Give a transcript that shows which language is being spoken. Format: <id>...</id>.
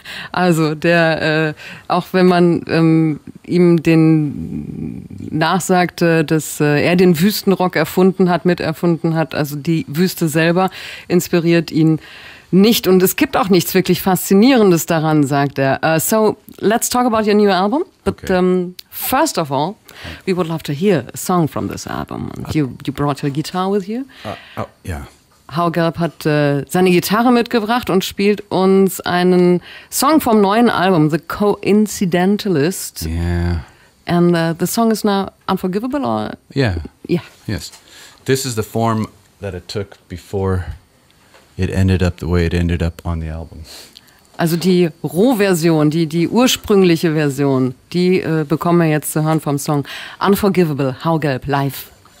<de>Also der auch wenn man ihm den nachsagte, dass er den Wüstenrock miterfunden hat, also die Wüste selber inspiriert ihn nicht und es gibt auch nichts wirklich Faszinierendes daran, sagt er.</de> <en>So let's talk about your new album, but okay. First of all, we would love to hear a song from this album. You brought your guitar with you.</en> <de>Hau Gerb hat seine Gitarre mitgebracht und spielt uns einen Song vom neuen Album, The Coincidentalist.</de> <en>Yeah. And the song is now Unforgivable, or? Yeah. Yeah. Yes. This is the form that it took before it ended up the way it ended up on the album.</en> <de>Also die Rohversion, die ursprüngliche Version, die bekommen wir jetzt zu hören vom Song Unforgivable, Hau Gerb, live.</de>